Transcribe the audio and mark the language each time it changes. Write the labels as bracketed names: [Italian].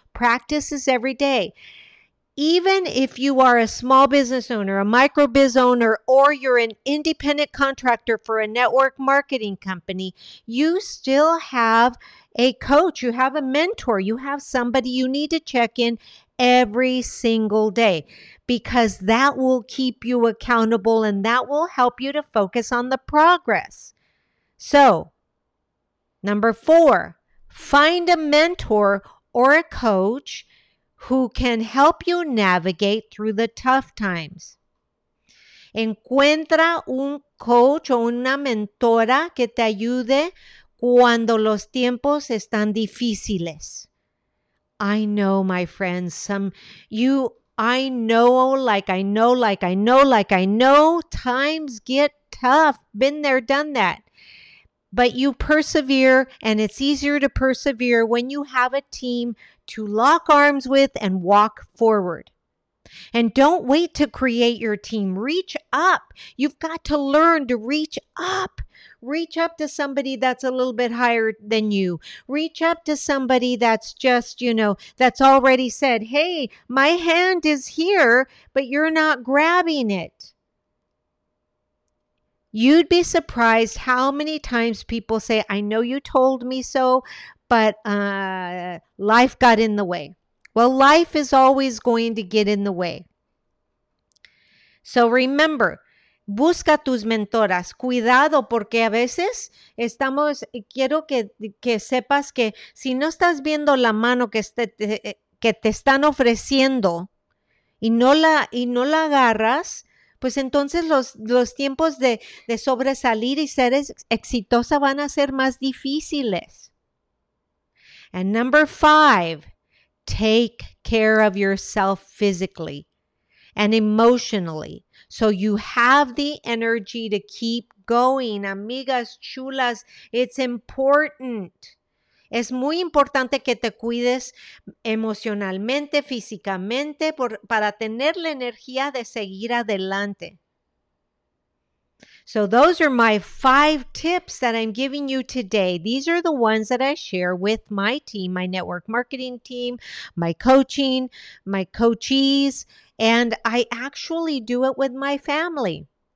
[English] Practice is every day. Even if you are a small business owner, a micro biz owner, or you're an independent contractor for a network marketing company, you still have a coach, you have a mentor, you have somebody you need to check in every single day, because that will keep you accountable and that will help you to focus on the progress. So, number four, find a mentor or a coach who can help you navigate through the tough times. [Spanish] Encuentra un coach o una mentora que te ayude cuando los tiempos están difíciles. [English] I know, my friends, I know times get tough. Been there, done that. But you persevere, and it's easier to persevere when you have a team to lock arms with and walk forward. And don't wait to create your team. Reach up. You've got to learn to reach up. Reach up to somebody that's a little bit higher than you. Reach up to somebody that's just, you know, that's already said, hey, my hand is here, but you're not grabbing it. You'd be surprised how many times people say, I know you told me so, but life got in the way. Well, life is always going to get in the way. So remember, [Spanish] busca tus mentoras. Cuidado, porque a veces estamos, quiero que sepas que si no estás viendo la mano que te están ofreciendo y no la agarras, pues entonces los tiempos de sobresalir y ser exitosa van a ser más difíciles. [English] And number five, take care of yourself physically and emotionally so you have the energy to keep going. [Spanish] Amigas chulas, [English] it's important. [Spanish] Es muy importante que te cuides emocionalmente, físicamente, para tener la energía de seguir adelante. [English] So those are my five tips that I'm giving you today. These are the ones that I share with my team, my network marketing team, my coaching, my coachees, and I actually do it with my family.